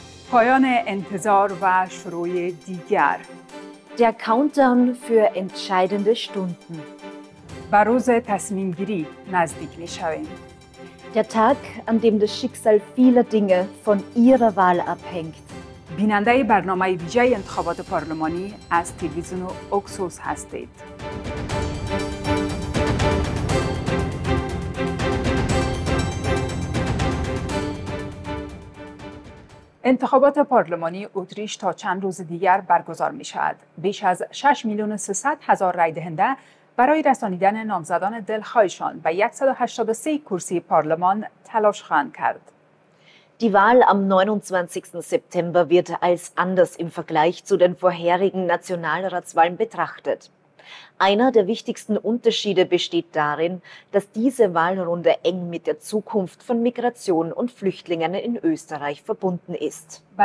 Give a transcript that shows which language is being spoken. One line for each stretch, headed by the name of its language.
Persian: پایان انتظار و شروع دیگر.
German: Der Countdown für entscheidende Stunden.
Persian: به روز تصمیم گیری نزدیک می شویم.
German: Der Tag, an dem das Schicksal vieler Dinge von ihrer Wahl abhängt.
Persian: بیننده برنامه ویژه انتخابات پارلمانی از تلویزیون اکسوس هستید. انتخابات پارلمانی اتریش تا چند روز دیگر برگزار می شود. بیش از 6,300,000 رای دهنده برای رسانیدن نامزدان دلخواهشان به 183 کرسی پارلمان تلاش خواهند کرد.
German: Die Wahl am 29. September wird als anders im Vergleich zu den vorherigen Nationalratswahlen betrachtet. Einer der wichtigsten Unterschiede besteht darin, dass diese Wahlrunde eng mit der Zukunft von Migration und Flüchtlingen in Österreich verbunden ist.